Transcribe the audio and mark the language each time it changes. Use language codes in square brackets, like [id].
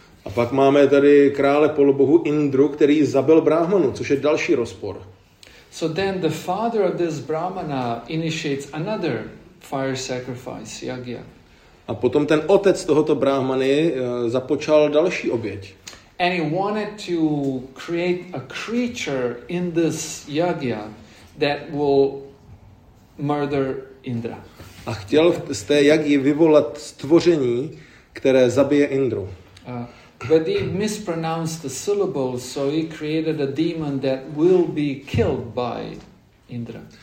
[cs] A pak máme tady krále polobohu Indru, který zabil brahmanu, což je další rozpor. [en] So then the father of this brahmana initiates another fire sacrifice, yagya. [cs] A potom ten otec tohoto brahmany započal další oběť. [en] And he wanted to create a creature in this yagya that will murder Indra. [cs] A chtěl z té jagyi vyvolat stvoření, které zabije Indru. [en] But he mispronounced the syllables, so he created a demon that will be killed by Indra.